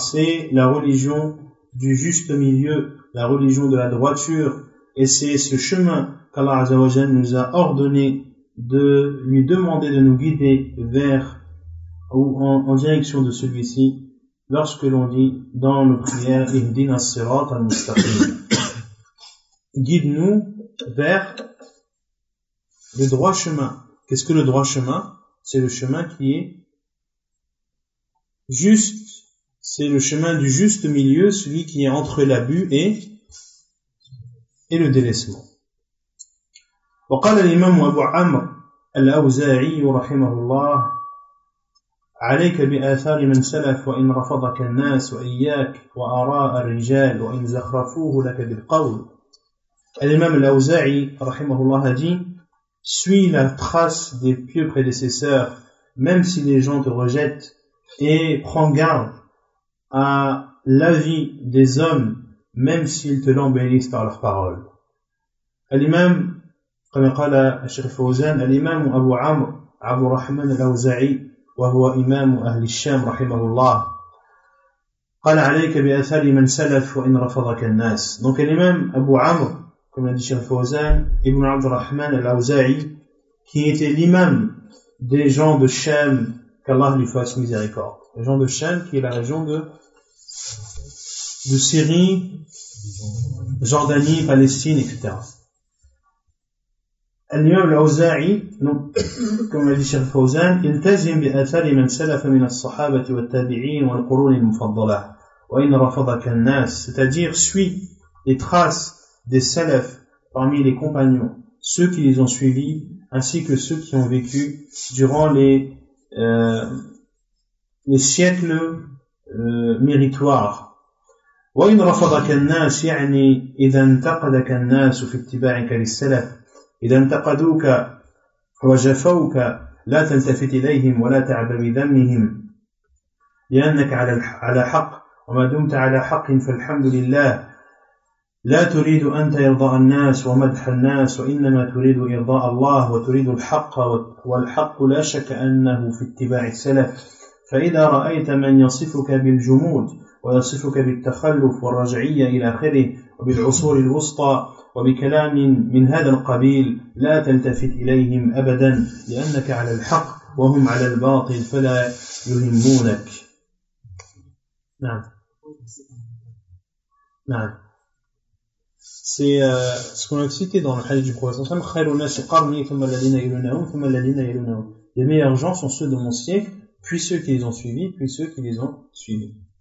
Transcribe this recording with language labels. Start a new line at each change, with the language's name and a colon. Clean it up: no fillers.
French: C'est la religion du juste milieu, la religion de la droiture, et c'est ce chemin qu'Allah Azza wa Jalla nous a ordonné de lui demander de nous guider vers ou en direction de celui-ci lorsque l'on dit dans nos prières
Arabic: Ihdina as-sirat al-mustaqim,
French: guide-nous vers le droit chemin. Qu'est-ce que le droit chemin? C'est le chemin qui est juste, c'est le chemin du juste milieu, celui qui est entre l'abus et le délaissement.
Arabic: وقال الإمام أبو عمرو الأوزاعي رحمه الله عليك بآثار من سلف وإن رفضك الناس وإياك وآراء الرجال وإن زخرفوه لك بالقول.
French: الإمام الأوزاعي رحمه الله dit suis la trace des pieux prédécesseurs même si les gens te rejettent et prends garde à l'avis des hommes même s'ils te l'embellissent par leurs paroles.
Arabic: الإمام كما قال الشيخ فوزان الإمام أبو عمرو عبد الرحمن الأوزاعي وهو إمام أهل الشام رحمه الله قال عليك بأثار من سلف وإن رفضك الناس.
French: Donc
Arabic: الإمام أبو عمرو كما قال الشيخ فوزان ابن عبد الرحمن الأوزاعي
French: qui était l'imam des gens de Sham qu'Allah lui fasse miséricorde. Les gens de Sham qui est la région de Syrie, Jordanie, Palestine, etc.
Arabic: الإمام الأوزاعي كما قال الشيخ فوزان التزم بآثار من سلف من الصحابة والتابعين والقرون المفضلة وإن رفضك الناس.
French: C'est-à-dire suis les traces des salafs parmi les compagnons, ceux qui les ont suivis ainsi que ceux qui ont vécu durant les siècles méritoires.
Arabic: وإن رفضك الناس يعني إذا انتقدك الناس في اتباعك للسلف إذا انتقدوك وجفوك لا تلتفت إليهم ولا تعب بذمهم لأنك على حق وما دمت على حق فالحمد لله لا تريد أنت إرضاء الناس ومدح الناس وإنما تريد إرضاء الله وتريد الحق والحق لا شك أنه في اتباع السلف فإذا رأيت من يصفك بالجمود ويصفك بالتخلف والرجعية إلى آخره وبالعصور الوسطى وبكلام من هذا القبيل لا تلتفت إليهم أبدا لأنك على الحق وهم على الباطل فلا يهمونك. نعم
French: c'est ce qu'on a cité dans le hadith du prophète
Arabic: خير الناس قرني ثم الذين يلونهم
French: ثم الذين يلونهم. Les meilleurs gens sont ceux de mon siècle puis ceux qui les ont suivis puis ceux qui les ont suivis.